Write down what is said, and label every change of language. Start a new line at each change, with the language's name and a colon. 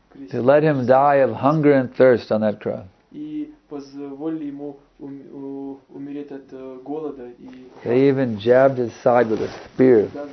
English: To let him die of hunger and thirst on that cross.
Russian: И позволили ему умереть от голода.
English: They even jabbed his side with a spear.